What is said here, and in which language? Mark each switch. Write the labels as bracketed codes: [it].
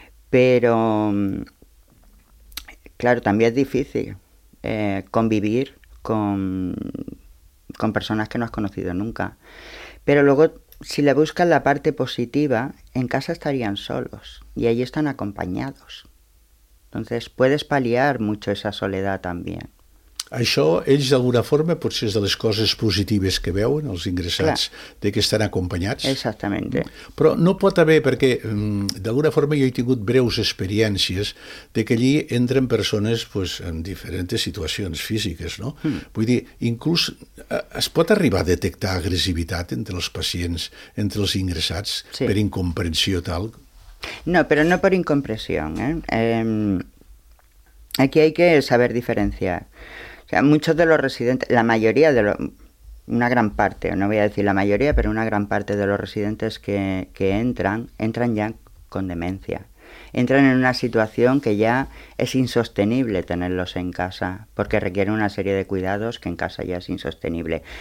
[es] Pero, claro, también es difícil convivir con personas que no has conocido nunca. Pero luego, si le buscas la parte positiva, en casa estarían solos y ahí están acompañados. Entonces, puedes paliar mucho esa soledad también. [ca] Això, ells d'alguna forma, potser és de les coses positives que veuen, els ingressats, clar, de que estan acompanyats. Exactament. Però no pot haver, perquè d'alguna forma jo he tingut breus experiències de que allí entren persones pues, en diferents situacions físiques, no? Mm. Vull dir, inclús es pot arribar a detectar agressivitat entre els pacients, entre els ingressats, sí, per incomprensió tal? No, però no per incomprensió, eh? [es] Aquí hay que saber diferenciar. O sea, muchos de los residentes, la mayoría de los, una gran parte, no voy a decir la mayoría, pero una gran parte de los residentes que entran, entran ya con demencia. Entran en una situación que ya es insostenible tenerlos en casa, porque requieren una serie de cuidados que en casa ya es insostenible.